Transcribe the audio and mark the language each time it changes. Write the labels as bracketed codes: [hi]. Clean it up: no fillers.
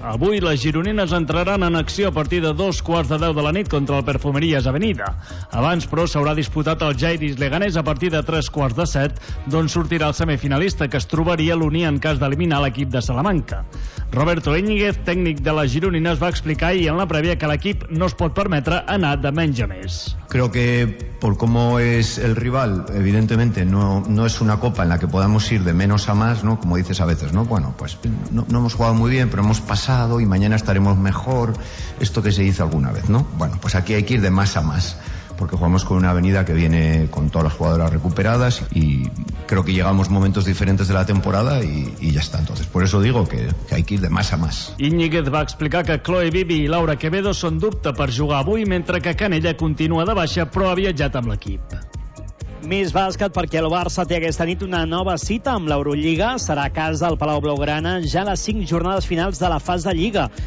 [ca] Avui les gironines entraran en acció a partir de 9:45 de la nit contra el Perfumeries Avenida. Abans, però, s'haurà disputat el Jairis Leganés a partir de 6:45, d'on sortirà el semifinalista, que es trobaria l'Uni en cas d'eliminar l'equip de Salamanca. Roberto Íñiguez, tècnic de les gironines, va explicar ahir en la prèvia que l'equip no es pot permetre anar de menys a més. [es] Creo que por cómo es el rival, evidentemente, evidentemente no es una copa en la que podamos ir de menos a más, ¿no? Como dices a veces, ¿no? Bueno, pues no hemos jugado muy bien, pero hemos pasado y mañana estaremos mejor. Esto que se dice alguna vez, ¿no? Bueno, pues aquí hay que ir de más a más, porque jugamos con una avenida que viene con todas las jugadoras recuperadas y creo que llegamos momentos diferentes de la temporada y ya está. Entonces, por eso digo que hay que ir de más a más. [ca] Íñiguez va explicar que Chloe Bibi i Laura Quevedo són dubte per jugar avui, mentre que Canella continua de baixa, però ha viatjat amb l'equip. Més bàsquet, perquè el Barça té aquesta nit una nova cita amb l'Eurolliga. Serà a casa al Palau Blaugrana ja les 5 jornades finals de la fase de Lliga.